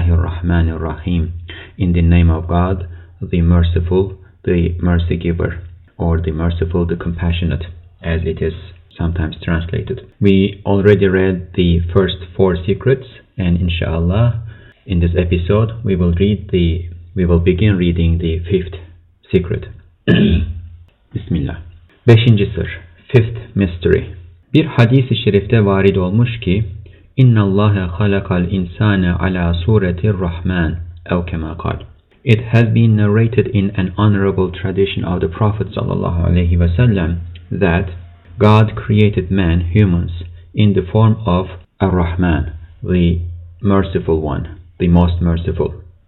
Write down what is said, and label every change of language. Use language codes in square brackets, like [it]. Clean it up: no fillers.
[en] Bismillahirrahmanirrahim. In the name of God, the Merciful, the Mercy Giver, or the Merciful, the Compassionate, as it is sometimes translated. We already read the first four secrets, and inshallah, in this episode, we will begin reading the fifth secret. [tr] Bismillah. Beşinci sır. [en] Fifth mystery. [tr] Bir hadis-i şerifte varid olmuş ki, [ar] اِنَّ اللّٰهَ خَلَقَ الْاِنْسَانَ عَلَى سُورَةِ الرَّحْمَنِ اَوْ كَمَا قَالْ. [en] It has been narrated in an honorable tradition of the Prophet sallallahu aleyhi ve sellem that God created man, humans, in the form of Ar-Rahman, the Merciful One, the Most Merciful.